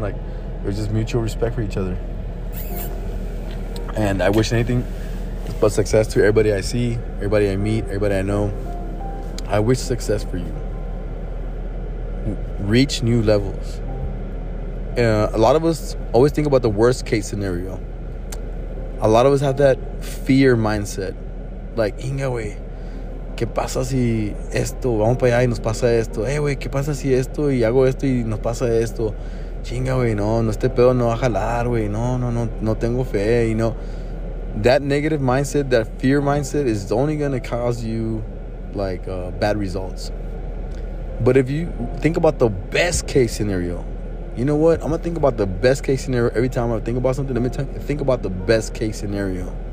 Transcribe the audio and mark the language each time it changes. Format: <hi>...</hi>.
<en>Like there's just mutual respect for each other. And I wish anything but success to everybody I see, everybody I meet, everybody I know. I wish success for you. Reach new levels. A lot of us always think about the worst case scenario. A lot of us have that fear mindset.</en> <es>Like, inga, wey, ¿qué pasa si esto? Vamos para allá y nos pasa esto. Hey, wey, ¿qué pasa si esto? Y hago esto y nos pasa esto. Chinga, wey, no, este pedo no va a jalar, wey. No tengo fe,</es> <en>you know. That negative mindset, that fear mindset is only going to cause you, like, bad results. But if you think about the best case scenario, you know what? I'm going to think about the best case scenario every time I think about something. Let me think about the best case scenario.</en>